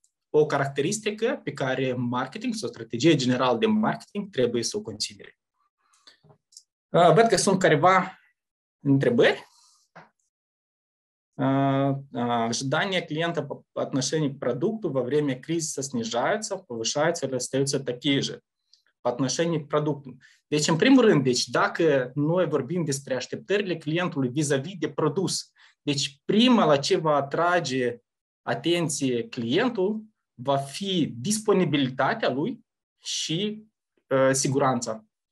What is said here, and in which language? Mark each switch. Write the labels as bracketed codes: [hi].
[ro] o caracteristică pe care marketing sau strategie generală de marketing trebuie să o conține. Văd că sunt careva întrebări. [ru] Ожидания клиента по отношению к продукту во время кризиса снижаются, повышаются или остаются такие же по отношению к продукту. [ro] Deci, în primul rând, deci, dacă noi vorbim despre așteptările clientului vis-a-vis de produs, deci prima la ce va atrage atenție clientul va fi disponibilitatea lui și siguranța.